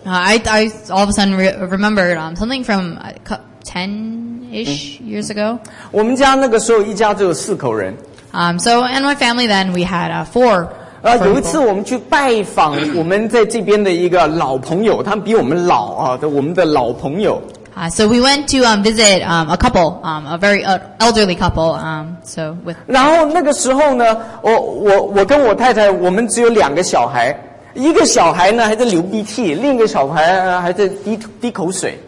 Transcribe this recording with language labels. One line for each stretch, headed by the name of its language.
English: I all of a sudden remembered something from 10-ish years ago.
Chinese: 我们家那个时候一家只有四口人。
English: So in my family then we had four.
Chinese: 有一次我们去拜访我们在这边的一个老朋友，他们比我们老啊，我们的老朋友。
English: So we went to visit a couple, a very elderly couple. So with.
Chinese: 然后那个时候呢，我跟我太太，我们只有两个小孩。一个小孩呢还在流鼻涕，另一个小孩还在滴口水。